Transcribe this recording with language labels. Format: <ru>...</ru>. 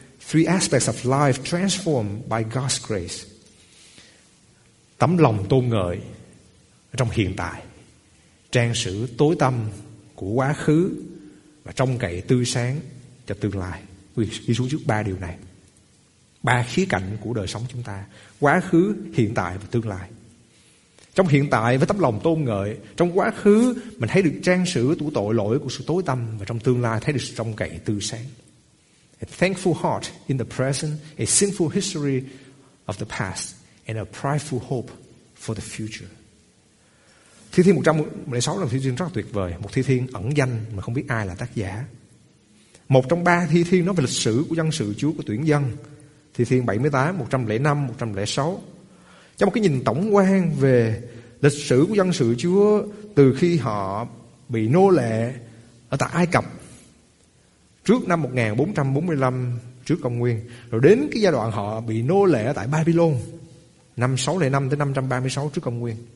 <en>Three aspects of life transformed by God's grace.</en> <vi>Tấm lòng tôn ngợi trong hiện tại, trang sử tối tăm của quá khứ và trông cậy tươi sáng cho tương lai. Quý vị ghi xuống trước ba điều này, ba khía cạnh của đời sống chúng ta: quá khứ, hiện tại và tương lai. Trong hiện tại với tấm lòng tôn ngợi, trong quá khứ mình thấy được trang sử của tội lỗi, của sự tối tăm, và trong tương lai thấy được sự trông cậy tươi sáng.</vi> <en>A thankful heart in the present, a sinful history of the past, and a prideful hope for the future.</en> <vi>Thi Thiên 106 là một thi thiên rất tuyệt vời, một thi thiên ẩn danh mà không biết ai là tác giả. Một trong ba thi thiên nói về lịch sử của dân sự Chúa, của tuyển dân. Thi Thiên 78, 105, 106. Trong một cái nhìn tổng quan về lịch sử của dân sự Chúa từ khi họ bị nô lệ ở tại Ai Cập trước năm 1445 trước Công nguyên, rồi đến cái giai đoạn họ bị nô lệ ở tại Babylon năm 605 tới 536 trước Công nguyên.</vi>